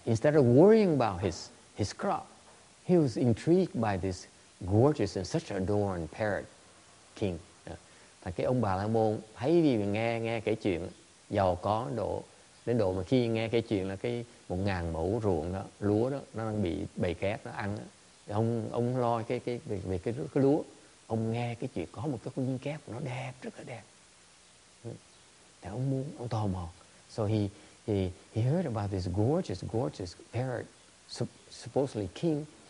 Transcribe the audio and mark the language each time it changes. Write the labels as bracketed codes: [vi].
[en] Instead of worrying about his crop, he was intrigued by this gorgeous and such adorned parrot king. [vi] Thì cái ông Bà La Môn thấy vì nghe cái chuyện giàu có đến độ mà khi nghe cái chuyện là cái 1,000 mẫu ruộng đó, lúa đó nó đang bị bầy két nó ăn đó. Ông lo cái lúa, ông nghe cái chuyện có một cái con chim két nó đẹp, rất là đẹp. Thì ông tò mò. [en] So he heard about this gorgeous parrot supposedly king.